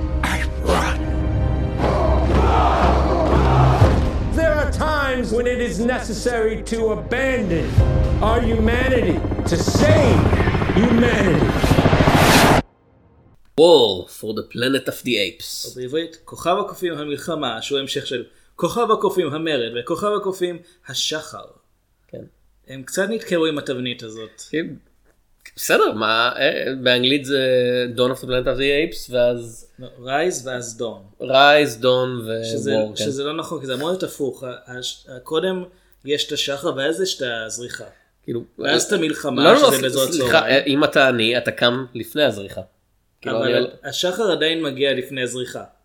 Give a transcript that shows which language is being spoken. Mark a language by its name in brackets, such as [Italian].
[English] I run. There are times when it is necessary to abandon our humanity to save humanity. War for the planet of the apes. [Hebrew] או בעברית, כוכב הקופים המלחמה, שהוא המשך של כוכב הקופים המרד וכוכב הקופים השחר. כן. הם קצת נתקרו עם התבנית הזאת. כן. בסדר, מה, באנגלית זה Dawn of the Planet of the Apes, ואז... Rise ואז Dawn. Rise, Dawn ו-War, כן. שזה לא נכון, כי זה אמור להיות הפוך. קודם יש את השחר, ואז יש את הזריחה. כאילו... ואז את המלחמה, לא, שזה לא, בזאת סליחה, לא. אם אתה עני, אתה קם לפני הזריחה. כאילו אבל השחר עדיין מגיע לפני הזריחה.